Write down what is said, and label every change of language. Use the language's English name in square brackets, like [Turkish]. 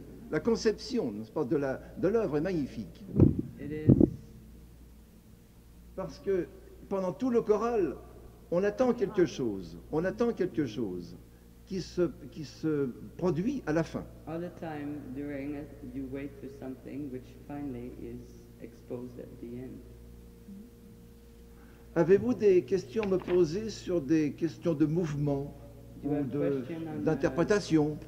[French] La conception, n'est-ce pas, de l'œuvre est magnifique. [English] It is. [French] Parce que pendant tout le choral, on attend quelque chose. On attend quelque chose qui se produit à la fin. [English] All the time during it, you wait for something which finally is exposed at the end. [French] Avez-vous des questions à me poser sur des questions de mouvement ou d'interprétation?